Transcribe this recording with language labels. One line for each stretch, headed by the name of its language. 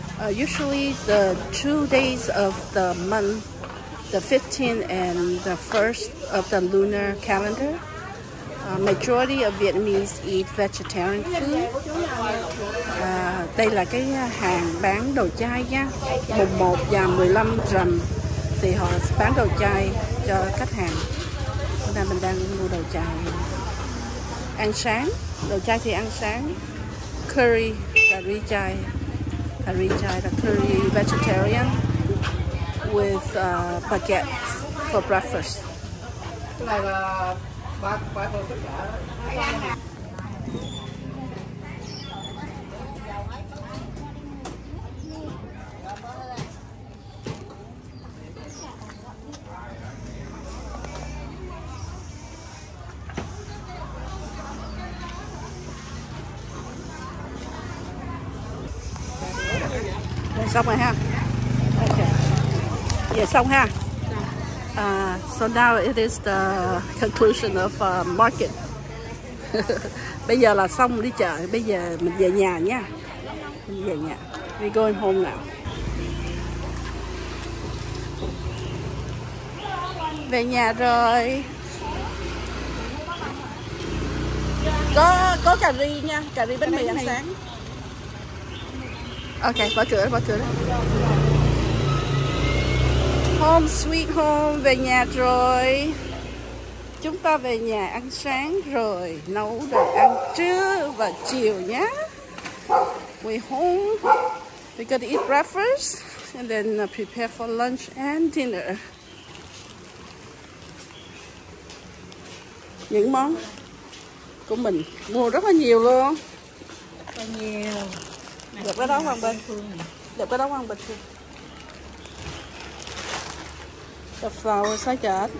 English: Usually the 2 days of the month, the 15th and the 1st of the lunar calendar, majority of Vietnamese eat vegetarian food.
Vietnamese: Đây là cái hàng bán đồ chay nha. Mùng 1 và 15 rằm thì họ bán đồ chay cho khách hàng. Hôm nay mình đang mua đồ chay ăn sáng. Đồ chay thì ăn sáng. Curry, curry chay. Curry chay là
English: curry vegetarian with baguettes for breakfast.
Vietnamese: Xong rồi ha. Okay. Yeah, xong ha.
English: So now it is the conclusion of market.
Vietnamese: Bây giờ là xong đi chợ, bây giờ mình về nhà nha. Mình về nhà.
English: We going home now.
Vietnamese: Về nhà rồi. Có cà ri nha, cà ri bánh mì ăn sáng. Ok, bỏ cửa đó, bỏ cửa đó.
English: Home sweet home,
Vietnamese: về nhà rồi. Chúng ta về nhà ăn sáng rồi, nấu đồ ăn trưa và chiều nhé.
English: We home, we got to eat breakfast and then prepare for lunch and dinner.
Vietnamese: Những món của mình mua rất là nhiều luôn. Rất là nhiều. Đẹp cái đó Hoàng Bình. Đẹp cái đó Hoàng Bình. Đập vào sao chết.